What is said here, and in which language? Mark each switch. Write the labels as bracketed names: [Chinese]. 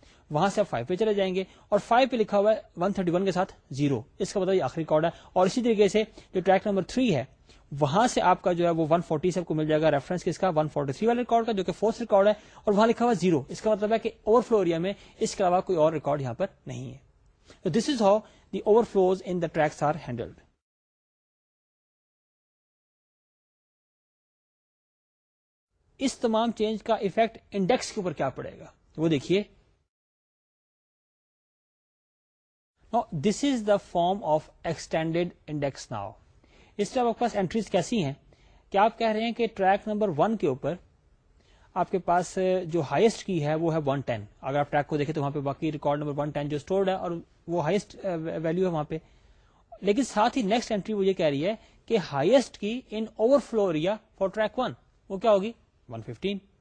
[Urdu] وہاں سے آپ 5 پہ چلے جائیں گے اور 5 پہ لکھا ہوا ہے 131 کے ساتھ 0, اس کا مطلب یہ آخری ریکارڈ ہے. اور اسی طریقے سے جو ٹریک نمبر 3 ہے وہاں سے آپ کا جو ہے وہ 140 سے آپ کو مل جائے گا ریفرنس, کس کا, 143 والے ریکارڈ کا جو کہ فورتھ ریکارڈ ہے, اور وہاں لکھا ہوا 0, اس کا مطلب ہے کہ اوور فلو ایریا میں اس کے علاوہ کوئی اور ریکارڈ یہاں پر نہیں ہے. [English] So this is how the overflows in the tracks are handled. [Urdu] اس تمام چینج کا افیکٹ انڈیکس کے اوپر کیا پڑے گا وہ دیکھیے. [English] Now this is the form of extended index now. [Urdu] اس میں آپ کے پاس اینٹریز کیسی ہیں کہ آپ کہہ رہے ہیں کہ ٹریک نمبر 1 کے اوپر آپ کے پاس جو ہائیسٹ کی ہے وہ ہے 110. اگر آپ ٹریک کو دیکھیں تو وہاں پہ باقی ریکارڈ نمبر 110 جو اسٹورڈ ہے اور وہ ہائیسٹ ویلو ہے وہاں پہ. لیکن ساتھ ہی نیکسٹ اینٹری وہ یہ کہہ رہی ہے کہ [English] highest کی in overflow area for track 1 [Urdu] وہ کیا ہوگی 115.